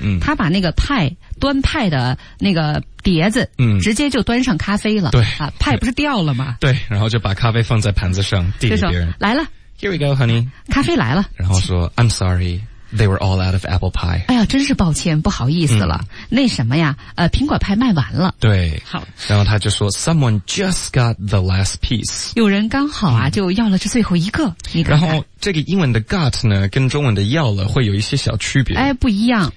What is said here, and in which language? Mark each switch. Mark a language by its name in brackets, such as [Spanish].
[Chinese] 他把那个派端派的那个碟子直接就端上咖啡了。对。啊，派不是掉了吗？对，然后就把咖啡放在盘子上递给别人。来了。 [English] Here we go, honey. [Chinese] 咖啡来了。然后说 [English] ,I'm sorry, they were all out of apple pie. [Chinese] 哎呀，真是抱歉，不好意思了。那什么呀，苹果派卖完了。对。好。然后他就说 [English] ,someone just got the last piece. [Chinese] 有人刚好啊就要了这最后一个。你看看。然后这个英文的 got 呢跟中文的要了会有一些小区别。哎，不一样。